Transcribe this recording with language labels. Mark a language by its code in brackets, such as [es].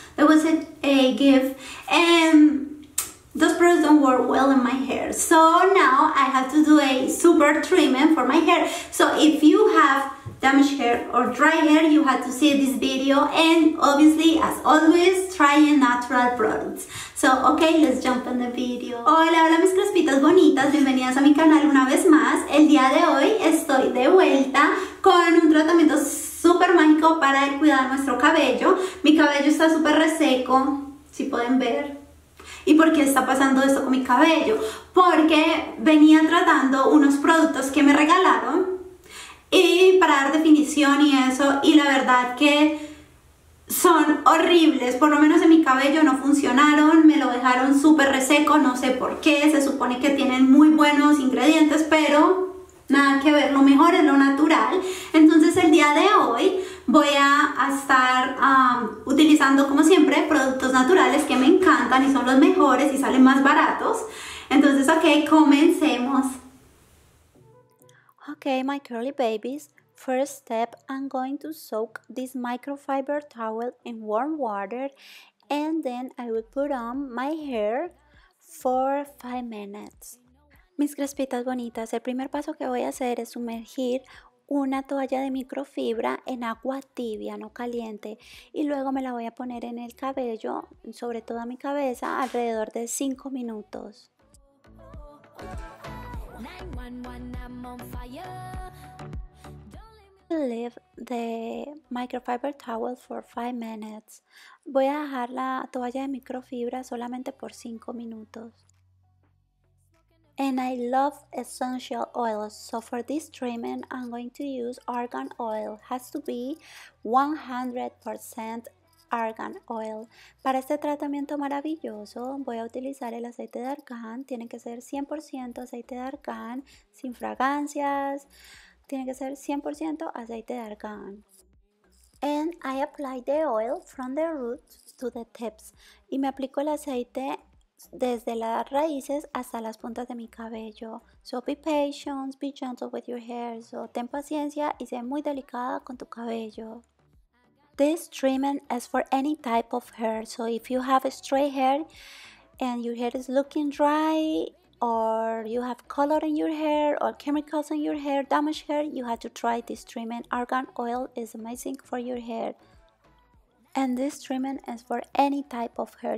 [en] That was a gift. And those products don't work well in my hair. So now I have to do a super treatment for my hair. So if you have damaged hair or dry hair, you have to see this video, and obviously, as always, try natural products. So, okay, let's jump in the video. [es] Hola, hola mis crespitas bonitas, bienvenidas a mi canal una vez más. El día de hoy estoy de vuelta con un tratamiento súper mágico para cuidar nuestro cabello. Mi cabello está súper reseco, si pueden ver. ¿Y por qué está pasando esto con mi cabello? Porque venía tratando unos productos que me regalaron y para dar definición y eso, y la verdad que son horribles, por lo menos en mi cabello no funcionaron, me lo dejaron súper reseco, no sé por qué, se supone que tienen muy buenos ingredientes, pero nada que ver, lo mejor es lo natural. Entonces el día de hoy voy a estar utilizando, como siempre, productos naturales que me encantan y son los mejores y salen más baratos. Entonces, ok, comencemos. [en] Okay, my curly babies, first step, I'm going to soak this microfiber towel in warm water and then I will put on my hair for 5 minutes. [es] Mis crespitas bonitas, el primer paso que voy a hacer es sumergir una toalla de microfibra en agua tibia, no caliente, y luego me la voy a poner en el cabello, sobre toda mi cabeza, alrededor de 5 minutos. [en] 911, I'm on fire. Leave the microfiber towel for 5 minutes. [es] Voy a dejar la toalla de microfibra solamente por 5 minutos. [en] And I love essential oils, so for this treatment I'm going to use argan oil. Has to be 100% argan oil. [es] Para este tratamiento maravilloso voy a utilizar el aceite de argán. Tiene que ser 100% aceite de argán, sin fragancias. Tiene que ser 100% aceite de argán. [en] And I apply the oil from the roots to the tips. [es] Y me aplico el aceite desde las raíces hasta las puntas de mi cabello. [en] So be patient, be gentle with your hair. [es] So ten paciencia y sé muy delicada con tu cabello. [en] This treatment is for any type of hair, so if you have a straight hair and your hair is looking dry, or you have color in your hair or chemicals in your hair, damaged hair, you have to try this treatment. Argan oil is amazing for your hair. And this treatment is for any type of hair.